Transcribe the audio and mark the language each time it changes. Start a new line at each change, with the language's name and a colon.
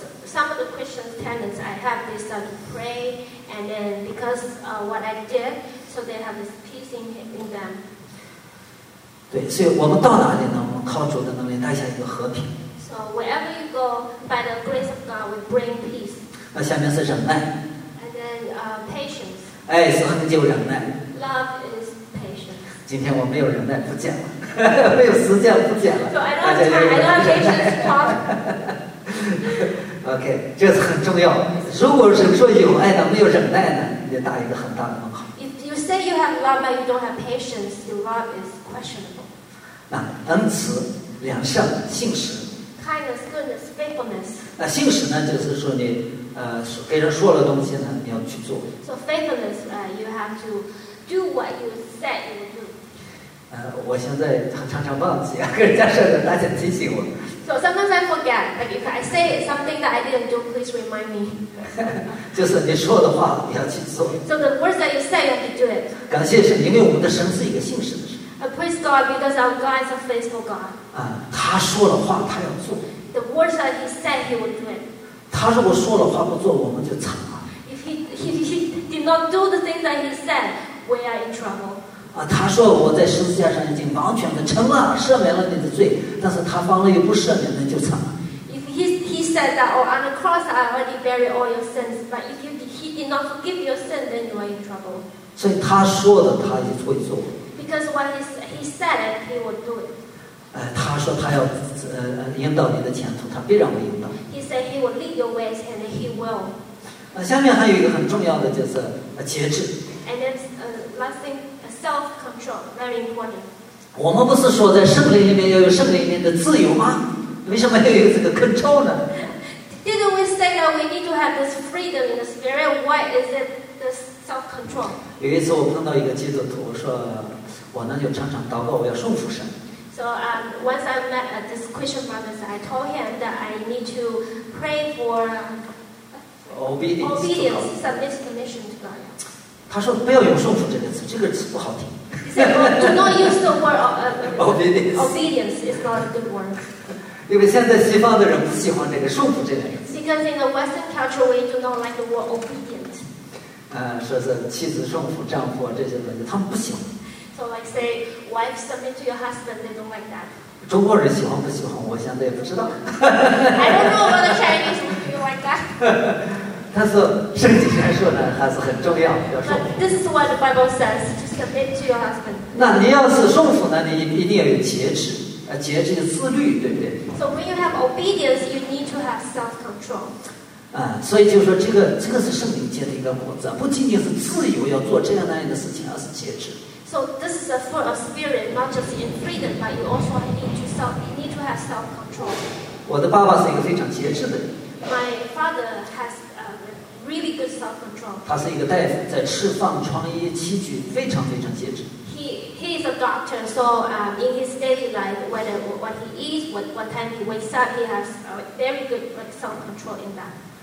English: Some of the Christian tenants I have, they start to pray, and then because of what I did, so they have this peace in them.
Chinese: 对，所以我们到哪里呢？我们靠主的能力带下一个和平。
English: So wherever you go, by the grace of God, we bring peace.
Chinese: 那下面是忍耐。
English: And then patience.
Chinese: 哎，是恒久忍耐。
English: Love is patience.
Chinese: 今天我没有忍耐，不讲了，没有时间不讲了。
English: So I don't have time. I don't have patience.
Chinese: OK， 这是很重要。如果是说有爱的，没有忍耐呢，你就打一个很大的问号。
English: If you say you have love but you don't have patience, your love is questionable.
Chinese: 那恩慈、良善、信实。
English: Kindness, goodness, faithfulness.
Chinese: 那信实呢，就是说你给人说了东西呢，你要去做。
English: So faithfulness, you have to do what you said you will do.
Chinese: 我现在常常忘记啊，跟人家说的，大家提醒我。
English: So sometimes I forget. Like if I say something that I didn't do, please remind me.
Chinese: 就是你说的话你要去做。
English: So the words that you say, you have to do it.
Chinese: 感谢神，因为我们的神是一个信实的神。
English: I praise God because our God is a faithful God.
Chinese: 他说了话，他要做。
English: The words that He said, He will do it.
Chinese: 他如果说了话不做，我们就惨了。
English: If he did not do the things that He said, we are in trouble.
Chinese: 他说我在十字架上已经完全的成了赦免了你的罪，但是他方了又不赦免，那就惨了。
English: If he said that, oh, on the cross I already buried all your sins, but if he did not forgive your sin, then you are in trouble.
Chinese: 所以他说的他也会做。
English: Because what he said, he will do it.
Chinese: 他说他要引导你的前途，他必然会引导。
English: He said he will lead your ways and he will.
Chinese: 下面还有一个很重要的就是节制。
English: And then last thing. Self-control, very important.
Chinese: 我们不是说在圣灵里面要有圣灵里面的自由吗？为什么要有这个 control 呢？
English: Didn't we say that we need to have this freedom in the spirit? Why is it this self-control?
Chinese: 有一次我碰到一个基督徒，说我呢就常常祷告，我要顺服神。
English: So once I met this Christian brother, I told him that I need to pray for obedience, submit submission to God.
Chinese: 他说不要用顺服这个词，这个词不好听。
English: Do not use the word obedience. It's not a good word.
Chinese: 因为现在西方的人不喜欢这个顺服这个词。
English: Because in the Western culture, we do not like the word obedient.
Chinese: 说是妻子顺服丈夫这些东西，他们不喜欢。
English: So like say, wife submit to your husband. They don't like that.
Chinese: 中国人喜欢不喜欢，我现在也不知道。
English: I don't know about the Chinese. Do you like that?
Chinese: 但是圣经上说呢，还是很重要，要顺服。
English: This is what the Bible says: to submit to your husband.
Chinese: 那你要是顺服呢，你一定要有节制，节制就自律，对不对
English: ？So when you have obedience, you need to have self-control.
Chinese: 所以就是说这个是圣灵界的一个果子，不仅仅是自由要做这样那样的事情，而是节制。
English: So this is a fruit of spirit, not just in freedom, but you also need to have self-control.
Chinese: 我的爸爸是一个非常节制的人。
English: My father has really good self-control.
Chinese: 他是一个大夫，在吃饭、穿衣、起居非常非常节制。
English: He is a doctor, so in his daily life, what he eats, what time he wakes up, he has very good self-control in that.